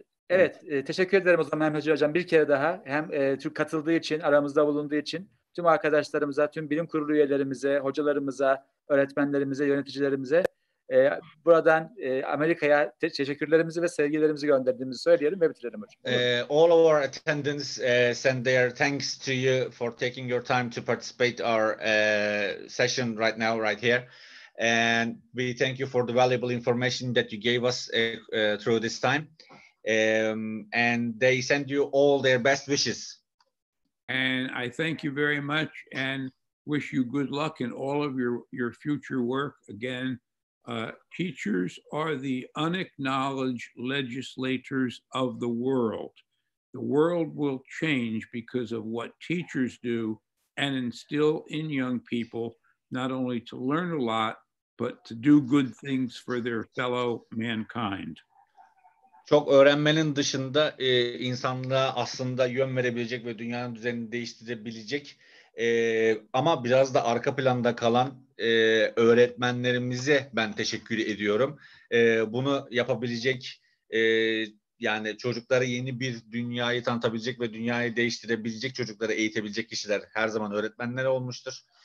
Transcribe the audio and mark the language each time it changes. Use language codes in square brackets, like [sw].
[tr] Evet, teşekkür ederim o zaman Mehmetçi Hocam bir kere daha. Hem Türk katıldığı için, aramızda bulunduğu için tüm arkadaşlarımıza, tüm bilim kurulu üyelerimize, hocalarımıza, öğretmenlerimize, yöneticilerimize buradan Amerika'ya teşekkürlerimizi ve sevgilerimizi gönderdiğimizi söyleyelim ve bitirelim hocam. [en] All of our attendants send their thanks to you for taking your time to participate our session right now, right here. And we thank you for the valuable information that you gave us through this time. And they send you all their best wishes. And I thank you very much and wish you good luck in all of your future work. Again, teachers are the unacknowledged legislators of the world. The world will change because of what teachers do and instill in young people not only to learn a lot, but to do good things for their fellow mankind. [tr] Çok öğrenmenin dışında insanlığa aslında yön verebilecek ve dünyanın düzenini değiştirebilecek ama biraz da arka planda kalan öğretmenlerimize ben teşekkür ediyorum. Bunu yapabilecek yani çocuklara yeni bir dünyayı tanıtabilecek ve dünyayı değiştirebilecek çocukları eğitebilecek kişiler her zaman öğretmenler olmuştur.